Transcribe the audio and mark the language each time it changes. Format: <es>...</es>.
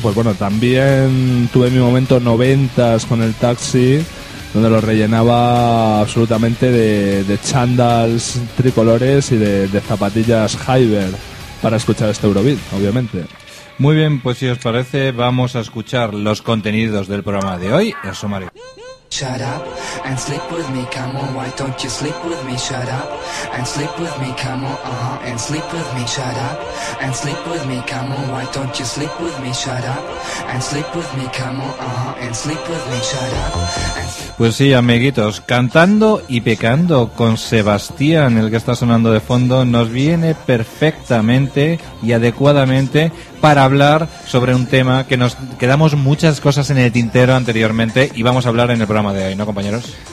<es>Pues bueno, también tuve mi momento 90s con el taxi, donde lo rellenaba absolutamente de chándals tricolores y de zapatillas Hyper para escuchar este Eurobeat, obviamente. Muy bien, pues si os parece, vamos a escuchar los contenidos del programa de hoy. Eso, Mario.</es> <en>Shut up and sleep with me, come on, why don't you sleep with me? Shut up and sleep with me, come on, and sleep with me. Shut up and sleep with me, come on, why don't you sleep with me? Shut up and sleep with me, come on, and sleep with me. Shut up.</en> <es>Pues sí, amiguitos, cantando y pecando con Sebastián, el que está sonando de fondo, nos viene perfectamente y adecuadamente para hablar sobre un tema que nos quedamos muchas cosas en el tintero anteriormente y vamos a hablar en el programa de hoy, ¿no, compañeros?</es>